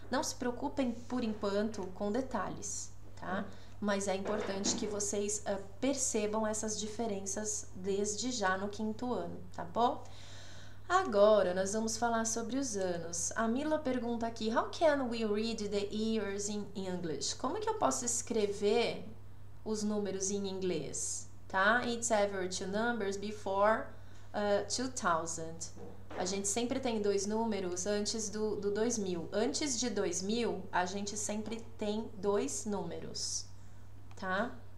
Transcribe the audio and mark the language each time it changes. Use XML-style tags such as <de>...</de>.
<pt>Não se preocupem por enquanto com detalhes, tá? Mas é importante que vocês percebam essas diferenças desde já no quinto ano, tá bom? Agora nós vamos falar sobre os anos. A Mila pergunta aqui:</pt> <en>How can we read the years in English?</en> <pt>Como que eu posso escrever os números em inglês? Tá?</pt> <en>It's ever two numbers before 2000.</en> <pt>A gente sempre tem dois números antes do 2000. Antes de 2000, a gente sempre tem dois números. Tá?</pt>